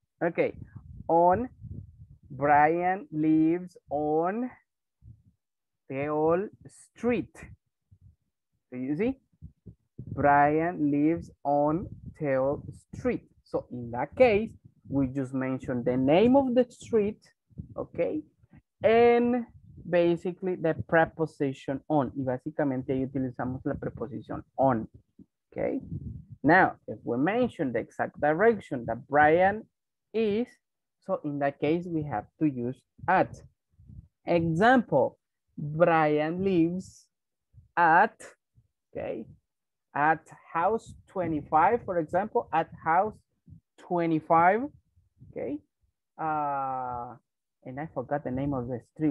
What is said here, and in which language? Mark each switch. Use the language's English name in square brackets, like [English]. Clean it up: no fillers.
[English] Okay, on, Brian lives on Teol Street. Do you see? Brian lives on Teol Street. So in that case, we just mention the name of the street, okay? And basically the preposition on. [Spanish] Y básicamente ahí utilizamos la preposición on, okay? [English] Now, if we mention the exact direction that Brian is, so in that case, we have to use at. Example, Brian lives at, okay? At house 25, for example, at house 25, okay, and I forgot the name of the street.